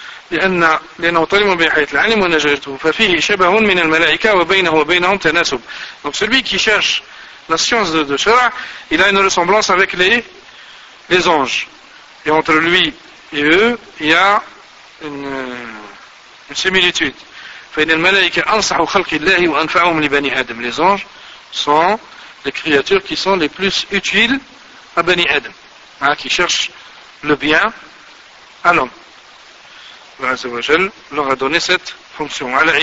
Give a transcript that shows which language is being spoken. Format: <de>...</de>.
<ar>لأنه طالب بحياة العالم ونجاته ففيه شبه من الملائكة وبينه وبينهم تناسب.</ar> <fr>Donc celui qui cherche la science de Shara, il a une ressemblance avec les anges. Et entre lui et eux, il y a une similitude.</fr> <ar>فإن الملائكة أنصح خلق الله وأنفعهم لبني آدم.</ar> <fr>Les anges sont les créatures qui sont les plus utiles à Bani Adam, hein, qui cherchent le bien à l'homme. Azzawajal leur a donné cette fonction.</fr>